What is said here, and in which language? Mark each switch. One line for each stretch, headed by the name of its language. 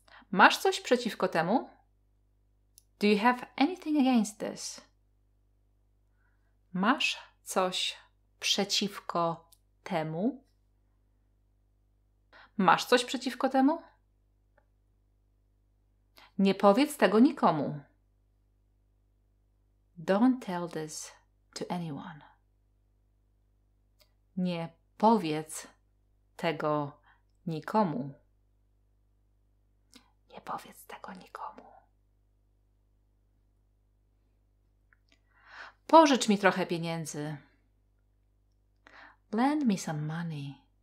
Polish: Masz coś przeciwko temu?
English: Do you have anything against this?
Polish: Masz coś przeciwko temu? Masz coś przeciwko temu? Nie powiedz tego nikomu.
English: Don't tell this to anyone.
Polish: Nie powiedz tego nikomu. Nie powiedz tego nikomu. Pożycz mi trochę pieniędzy.
English: Lend me some money.